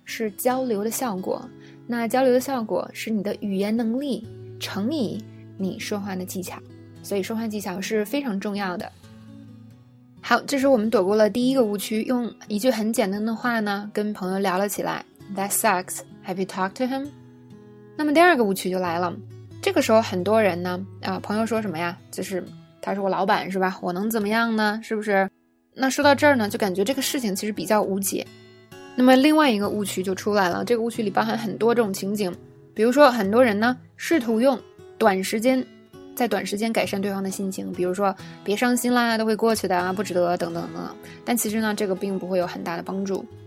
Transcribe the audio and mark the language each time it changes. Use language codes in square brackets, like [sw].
[zh] 是交流的效果。那交流的效果是你的语言能力乘以你说话的技巧，所以说话技巧是非常重要的。好，这时我们躲过了第一个误区，用一句很简单的话呢跟朋友聊了起来。 [en] That sucks, have you talked to him? [zh] 那么第二个误区就来了，这个时候很多人呢朋友说什么呀，就是他是我老板是吧，我能怎么样呢，是不是？那说到这儿呢，就感觉这个事情其实比较无解。那么另外一个误区就出来了，这个误区里包含很多这种情景，比如说很多人呢试图用短时间在短时间改善对方的心情，比如说别伤心啦，都会过去的啊，不值得等等等等，但其实呢这个并不会有很大的帮助。